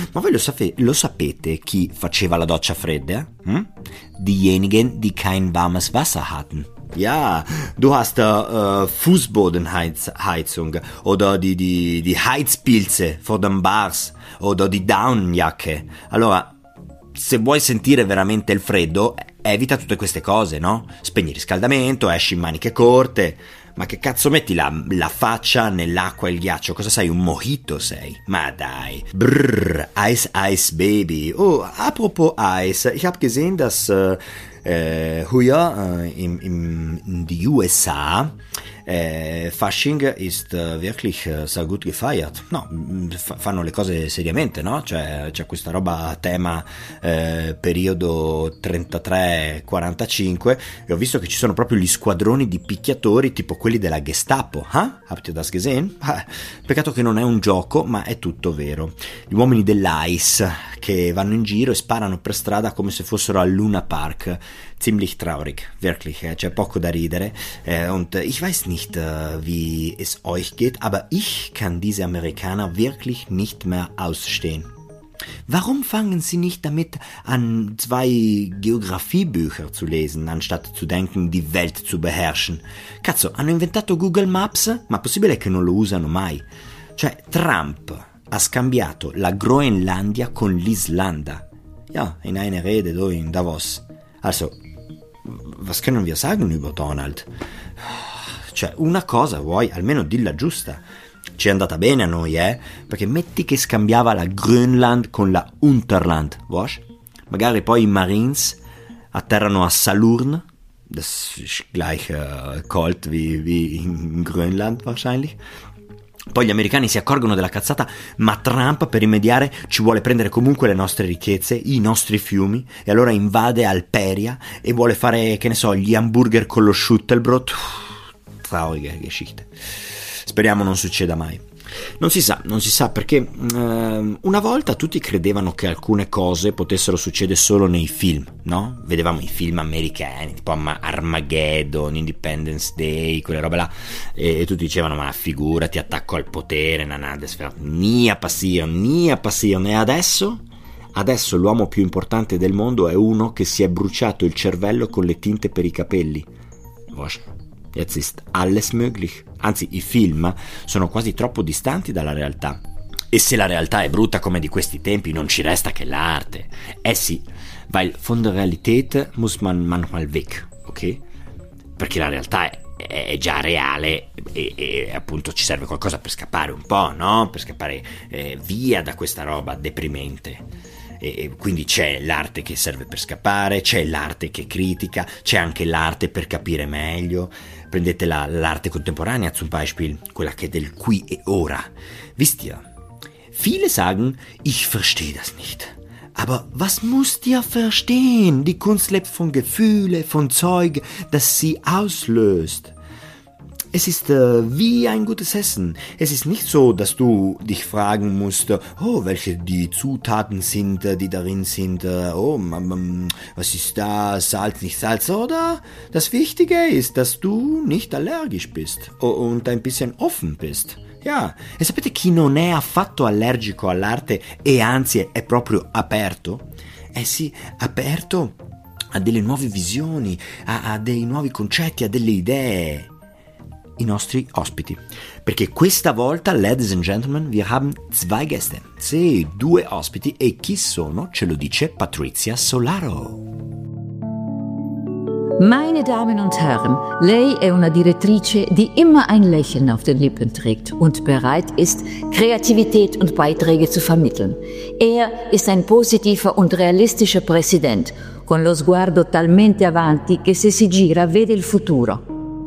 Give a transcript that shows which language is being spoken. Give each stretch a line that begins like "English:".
Italian: Ma voi lo sapete chi faceva la doccia fredda?
German: Diejenigen, die kein warmes Wasser hatten. Ja, du hast Fußbodenheizung oder die Heizpilze vor den Bars oder die Daunenjacke.
Italian: Allora, se vuoi sentire veramente il freddo, evita tutte queste cose, no? Spegni il riscaldamento, esci in maniche corte. Ma che cazzo metti la faccia nell'acqua e il ghiaccio? Cosa sei, un mojito sei? Ma dai. Brrr, ice baby.
German: Oh, apropos ice, ich hab gesehen, dass früher in die USA Fasching ist wirklich sehr gut gefeiert.
Italian: No, fanno le cose seriamente, no? Cioè, c'è questa roba a tema periodo 33-45 e ho visto che ci sono proprio gli squadroni di picchiatori tipo quelli della Gestapo.
German: Habt ihr das gesehen?
Italian: Peccato che non è un gioco, ma è tutto vero. Gli uomini dell'ICE che vanno in giro e sparano per strada come se fossero al Luna Park.
German: Ziemlich traurig, wirklich,
Italian: c'è poco da ridere.
German: Und ich weiß nicht, wie es euch geht, aber ich kann diese Amerikaner wirklich nicht mehr ausstehen. Warum fangen sie nicht damit an, zwei Geografiebücher zu lesen, anstatt zu denken, die Welt zu beherrschen?
Italian: Cazzo, hanno inventato Google Maps? Ma possibile che non lo usano mai? Cioè, Trump, ha scambiato la Groenlandia con l'Islanda.
German: Ja, in eine Rede do in Davos. Also, was können wir sagen über Donald?
Italian: Cioè, una cosa vuoi, almeno dilla giusta. Ci è andata bene a noi, eh? Perché metti che scambiava la Grönland con la Unterland, vois? Magari poi i Marines atterrano a Salurn.
German: Das ist gleich cold wie in Grönland wahrscheinlich.
Italian: Poi gli americani si accorgono della cazzata, ma Trump per rimediare ci vuole prendere comunque le nostre ricchezze, i nostri fiumi, e allora invade Alperia e vuole fare, che ne so, gli hamburger con lo Schüttelbrot.
German: Traurige Geschichte.
Italian: Speriamo non succeda mai. Non si sa perché una volta tutti credevano che alcune cose potessero succedere solo nei film, no? Vedevamo i film americani, tipo Armageddon, Independence Day, quelle robe là, e tutti dicevano, ma figurati, attacco al potere, nia passion, e adesso l'uomo più importante del mondo è uno che si è bruciato il cervello con le tinte per i capelli.
German: Jetzt ist alles möglich.
Italian: Anzi, i film sono quasi troppo distanti dalla realtà. E se la realtà è brutta come di questi tempi, non ci resta che l'arte.
German: Eh sì, weil von der Realität muss man manchmal weg, ok?
Italian: Perché la realtà è già reale e appunto ci serve qualcosa per scappare un po', no? Per scappare via da questa roba deprimente. E quindi c'è l'arte che serve per scappare, c'è l'arte che critica, c'è anche l'arte per capire meglio. Prendete l'arte contemporanea,
German: zum Beispiel,
Italian: quella che è del qui e ora.
German: Wisst ihr, viele sagen, ich verstehe das nicht. Aber was musst ihr verstehen? Die Kunst lebt von Gefühle, von Zeug, das sie auslöst. Es ist wie ein gutes Essen. Es ist nicht so, dass du dich fragen musst, oh, welche die Zutaten sind, die darin sind, oh, was ist da, Salz, nicht Salz, oder? Das Wichtige ist, dass du nicht allergisch bist und ein bisschen offen bist.
Italian: Ja, e sapete chi non è affatto allergico all'arte e anzi è proprio aperto? Eh sì, aperto a delle nuove visioni, a dei nuovi concetti, a delle idee. I nostri ospiti, perché questa volta,
English: ladies and gentlemen,
German: wir haben zwei Gäste,
Italian: sì, due ospiti, e chi sono ce lo dice Patrizia Solaro.
German: Meine Damen und Herren,
Italian: lei è una direttrice
German: die immer ein Lächeln auf den Lippen trägt und bereit ist, Kreativität und Beiträge zu vermitteln. Er ist ein positiver und realistischer Präsident,
Italian: con lo sguardo talmente avanti che se si gira vede il futuro.